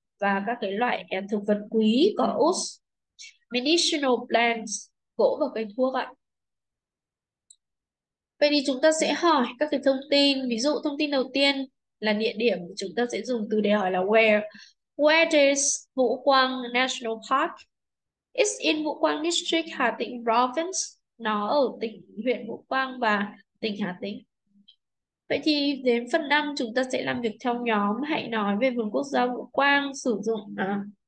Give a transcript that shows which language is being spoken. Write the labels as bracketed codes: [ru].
[vi] Và các cái loại thực vật quý có Us. [en] Medicinal plants, [vi] gỗ và cây thuốc ạ. Vậy thì chúng ta sẽ hỏi các cái thông tin. Ví dụ thông tin đầu tiên là địa điểm. Chúng ta sẽ dùng từ để hỏi là where. [en] Where is Vũ Quang National Park? It's in Vũ Quang District, Hà Tĩnh Province. [vi] Nó ở tỉnh huyện Vũ Quang và tỉnh Hà Tĩnh. Vậy thì đến phần 5 chúng ta sẽ làm việc theo nhóm. Hãy nói về vườn quốc gia Vũ Quang sử dụng à.